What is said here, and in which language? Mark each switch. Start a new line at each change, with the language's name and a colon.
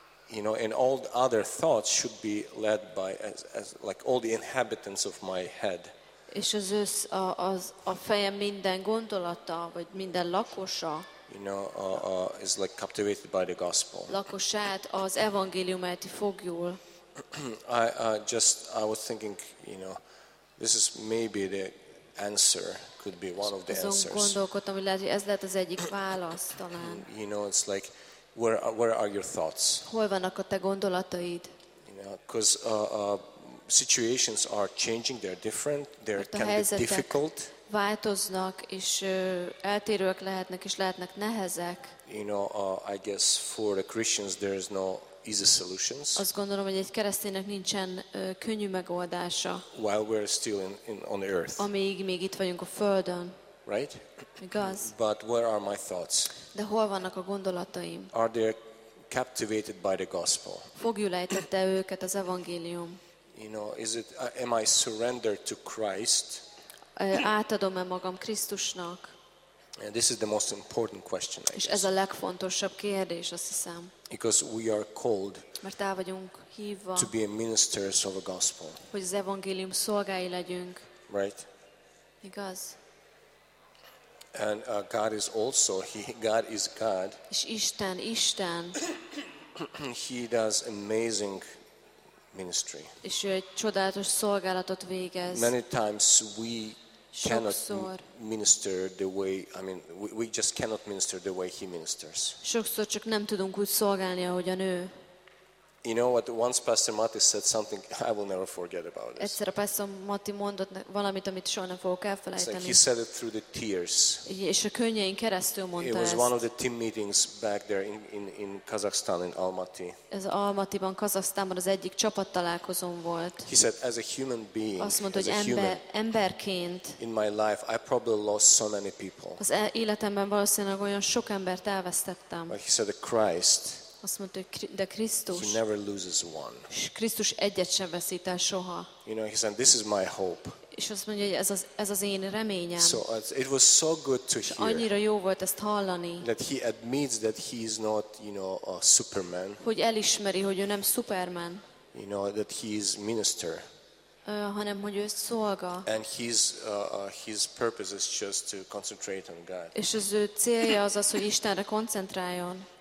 English: You know, and all the other thoughts should be led by as like all the inhabitants of my head.
Hungarian: És az a fejem minden gondolata vagy minden lakosa.
English: You know, is like captivated by the gospel.
Hungarian: Lakosát az evangéliumát foglyul.
English: I was thinking, you know, this is maybe the answer. Could be one of the answers.
Hungarian: Azon gondolkodtam, hogy lehet, hogy ez lett az egyik válasz talán.
English: You know, it's like. Where are your thoughts?
Hungarian: Hol vannak a te gondolataid?
English: You know, because situations are changing, they're different, they can be difficult.
Hungarian: Változnak és eltérőek lehetnek és lehetnek nehezek.
English: You know, I guess for the Christians there is no easy solutions.
Hungarian: Azt gondolom, hogy egy kereszténynek nincsen könnyű megoldása.
English: While we're still in on the earth.
Hungarian: Amíg még itt vagyunk a földön.
English: Right?
Hungarian: Igaz.
English: But where are my thoughts?
Hungarian: De hol vannak a gondolataim?
English: Are they captivated by the gospel?
Hungarian: Foglyul ejtette őket az evangélium?
English: You know, is it, am I surrendered to Christ?
Hungarian: Átadom-e magam Krisztusnak?
English: And this is the most important question, I guess.
Hungarian: És ez a legfontosabb kérdés, azt hiszem.
English: Because we are called,
Hungarian: mert el vagyunk hívva,
English: to be a ministers of a gospel.
Hungarian: Hogy az evangélium szolgái legyünk.
English: Right.
Hungarian: Igaz.
English: And God is also God is God.
Hungarian: És Isten, Isten.
English: He does amazing ministry.
Hungarian: És ő egy csodálatos szolgálatot végez.
English: Many times we cannot
Hungarian: sokszor
English: minister the way, I mean, we just cannot minister the way he ministers.
Hungarian: Sokszor csak nem tudunk úgy szolgálni, ahogyan ő.
English: You know what? Once Pastor Matti said something I will never forget about this.
Hungarian: Egyszer a Pastor Matti mondott valamit, amit soha nem fogok elfelejteni.
English: Like he said it through the tears.
Hungarian: És a könnyein keresztül mondta ezt.
English: It was one of the team meetings back there in Kazakhstan in Almaty.
Hungarian: Ez Almatiban, Kazakhstanban az egyik csapattalálkozón volt.
English: He said, as a human being,
Hungarian: azt mondta, hogy
English: as a
Hungarian: emberként,
English: in my life, I probably lost so many people.
Hungarian: Az életemben valószínűleg olyan sok embert elvesztettem.
English: But he said that Christ,
Hungarian: azt mondta, hogy de Krisztus,
English: he never loses one.
Hungarian: Krisztus egyet sem veszít el soha.
English: You know, he said, this is my hope.
Hungarian: És azt mondja, hogy ez az én reményem.
English: So it was so good to hear.
Hungarian: Annyira jó volt ezt hallani.
English: That he admits that he is not, you know, a Superman.
Hungarian: Hogy elismeri, hogy ő nem Superman.
English: You know, that he is minister.
Hungarian: Hanem hogy ő szolga.
English: And his purpose is just to concentrate on God.
Hungarian: És az ő célja az, hogy Istenre koncentráljon.